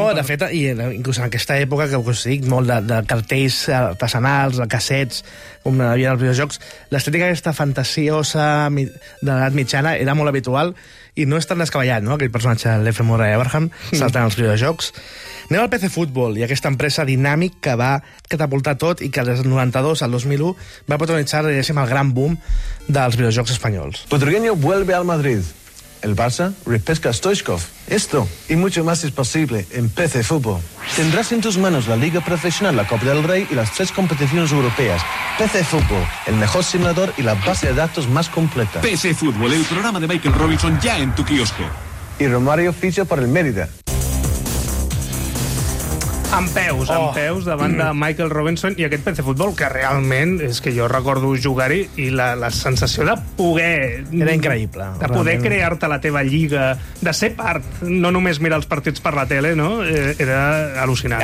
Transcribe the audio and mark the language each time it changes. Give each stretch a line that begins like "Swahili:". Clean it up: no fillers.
Catalan: No, de fet, i inclús en aquesta època, que us dic, molt de cartells artesanals, de cassets, com havia els videojocs, l'estètica aquesta fantasiosa de l'edat mitjana era molt habitual, i no és tan descabellat, no?, aquell personatge de L.F. Murray Abraham saltant els videojocs. Anem al PC Football i aquesta empresa Dynamic que va catapultar tot i que des del 92 al 2001 va protagonitzar, diguéssim, el gran boom dels videojocs espanyols.
Spanish: Potrogueño vuelve al Madrid. El Barça repesca Stoichkov. Esto y mucho más es posible en PC Football. Tendrás en tus manos la Liga Profesional, la Copa del Rey y las tres competiciones europeas. PC Football, el mejor simulador y la base de datos más completa. PC Football, el programa de Michael Robinson ya en tu kiosco. Y Romario ficha por el Mérida.
Catalan: En peus davant de Michael Robinson i aquest PC Football, que realment és que jo recordo jugar-hi i la sensació de poder... Era increïble. De realment. Poder crear-te la teva lliga, de ser part, no només mirar els partits per la tele, no? Era al·lucinant.